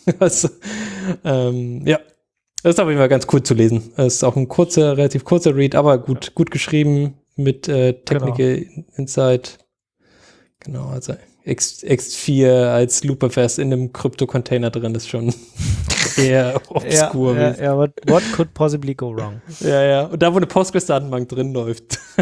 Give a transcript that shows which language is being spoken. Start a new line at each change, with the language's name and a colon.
German: Also, ja, das ist aber immer ganz cool zu lesen. Es ist auch ein kurzer, relativ kurzer Read, aber gut, gut geschrieben mit Technical Insight. Genau, also X4 als Looperfest in einem Krypto-Container drin ist schon eher obskur.
English: Ja, what could possibly go wrong?
German: Ja, ja. Und da, wo eine Postgres-Datenbank drin läuft.